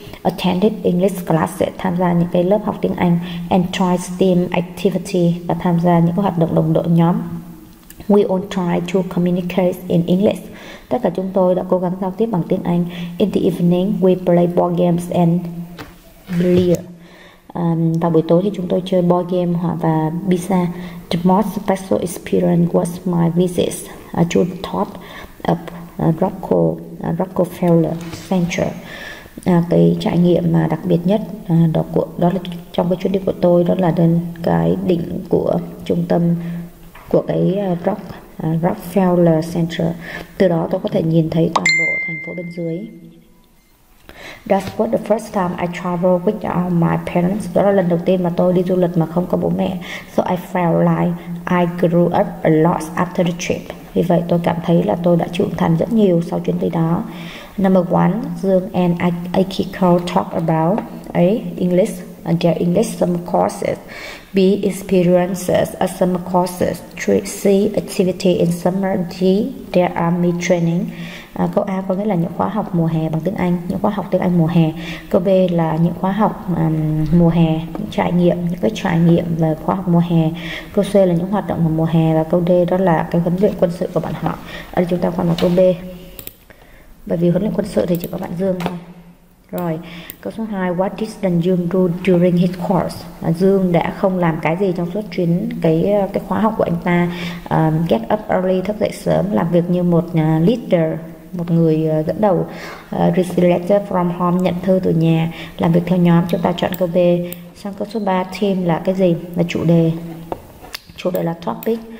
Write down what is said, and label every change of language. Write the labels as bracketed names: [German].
[English] Attended English classes, [Vietnamese] tham gia những cái lớp học tiếng Anh, [English] and tried STEAM activity, [Vietnamese] và tham gia những cái hoạt động đồng đội nhóm. [English] We all tried to communicate in English. [Vietnamese] Tất cả chúng tôi đã cố gắng giao tiếp bằng tiếng Anh. [English] In the evening, we play board games and billiards. [Vietnamese] Vào buổi tối thì chúng tôi chơi board game hoặc và pizza. [English] The most special experience was my visit to the top of Rockefeller Center. [Vietnamese] Cái trải nghiệm mà đặc biệt nhất đó là trong cái chuyến đi của tôi, đó là đến cái đỉnh của trung tâm của cái Rockefeller Center. Từ đó tôi có thể nhìn thấy toàn bộ thành phố bên dưới. [English] That was the first time I traveled without my parents. [Vietnamese] Đó là lần đầu tiên mà tôi đi du lịch mà không có bố mẹ. [English] So I felt like I grew up a lot after the trip. [Vietnamese] Vì vậy tôi cảm thấy là tôi đã trưởng thành rất nhiều sau chuyến đi đó. [English] Number one, Dương and Akiko talk about English, their English summer courses. B, experiences at summer courses. C, activity in summer. D, their army training. [Vietnamese] Câu A có nghĩa là những khóa học mùa hè bằng tiếng Anh, những khóa học tiếng Anh mùa hè. Câu B là những khóa học mùa hè, những trải nghiệm về khóa học mùa hè. Câu C là những hoạt động mùa hè. Và câu D đó là cái huấn luyện quân sự của bạn họ. Ở đây chúng ta qua một câu B. Bởi vì huấn luyện quân sự thì chỉ có bạn Dương thôi. Rồi, câu số 2, [English] what did Dương do during his course? [Vietnamese] Dương đã không làm cái gì trong suốt chuyến cái khóa học của anh ta. [English] Get up early, [Vietnamese] thức dậy sớm, làm việc như một leader, một người dẫn đầu, [English] receive letter from home, [Vietnamese] nhận thư từ nhà, làm việc theo nhóm. Chúng ta chọn câu B. Sang câu số 3, team là cái gì? Là chủ đề. Chủ đề là topic.